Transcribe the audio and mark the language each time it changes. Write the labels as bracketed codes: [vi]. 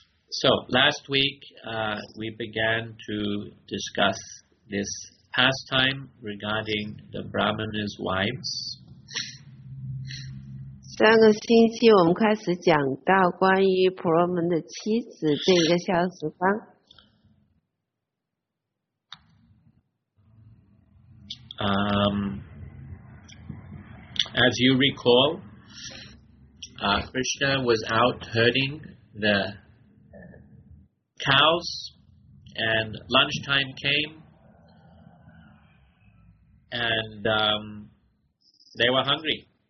[en] So, last week we began to discuss this pastime regarding the Brahmana's wives. [zh] 上个星期我们开始讲到关于婆罗门的妻子这一个消息方。 [en] As you recall, Krishna was out herding the cows, and lunchtime came, and they were hungry.